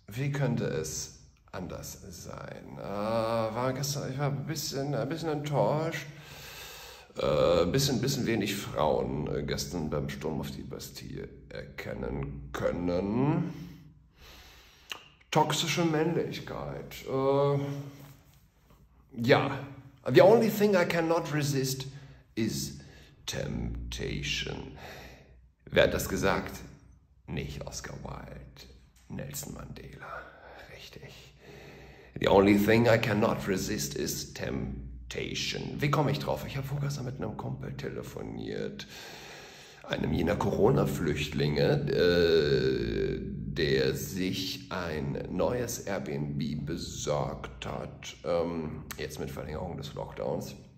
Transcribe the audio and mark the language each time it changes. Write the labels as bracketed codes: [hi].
[de] Wie könnte es anders sein? Ich war ein bisschen enttäuscht. Ein bisschen wenig Frauen gestern beim Sturm auf die Bastille erkennen können. Toxische Männlichkeit. [en] The only thing I cannot resist is temptation. [de] Wer hat das gesagt? Nicht Oscar Wilde, Nelson Mandela. Richtig. [en] The only thing I cannot resist is temptation. [de] Wie komme ich drauf? Ich habe vorgestern mit einem Kumpel telefoniert. Einem jener Corona-Flüchtlinge, der sich ein neues Airbnb besorgt hat, jetzt mit Verlängerung des Lockdowns.